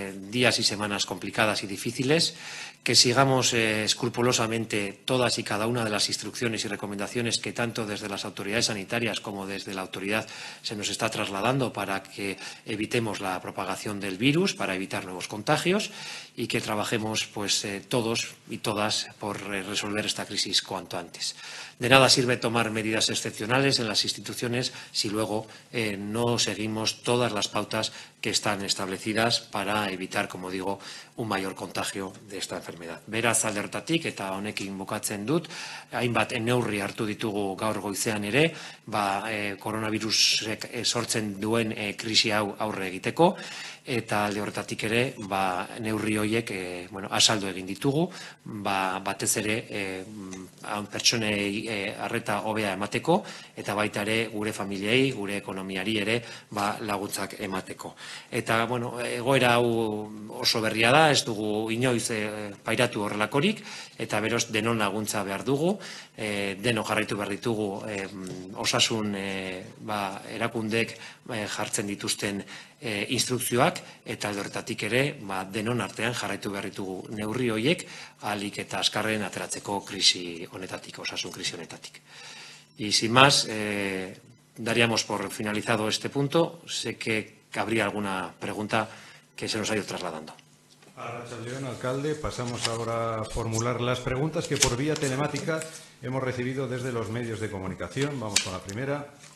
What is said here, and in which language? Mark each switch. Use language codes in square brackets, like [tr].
[es] días y semanas complicadas y difíciles, que sigamos escrupulosamente todas y cada una de las instrucciones y recomendaciones que tanto desde las autoridades sanitarias como desde la autoridad se nos está trasladando para que evitemos la propagación del virus, para evitar nuevos contagios, y que trabajemos todos y todas por resolver esta crisis cuanto antes. De nada sirve tomar medidas excepcionales en las instituciones si luego no seguimos todas las pautas que están establecidas para evitar, como digo, un mayor contagio de esta enfermedad. [eu] Beraz, alde hortatik, eta honekin bukatzen dut, hainbat neurri hartu ditugu gaur goizean ere, koronavirusek sortzen duen krisi hau aurre egiteko, eta alde horretatik ere, neurri horiek azaldu egin ditugu, batez ere pertsonei arreta hobea emateko, eta baita ere gure familiei, gure ekonomiari ere laguntzak emateko. Eta egoera hau oso berria da, ez dugu inoiz pairatu horrelakorik, eta beroz denon laguntza behar dugu, deno jarraitu behar ditugu osasun erakundek jartzen dituzten instrukzioak, eta horretatik ere denon artean jarraitu behar ditugu neurri horiek ahalik eta azkarren ateratzeko krisi honetatik, osasun krisi honetatik. [es] Y sin más, daríamos por finalizado este punto. Sé que habría alguna pregunta que se nos ha ido trasladando. [eu] Arratsaldeon, alcalde. [es] Pasamos ahora a formular las preguntas que por vía telemática hemos recibido desde los medios de comunicación. Vamos con la primera.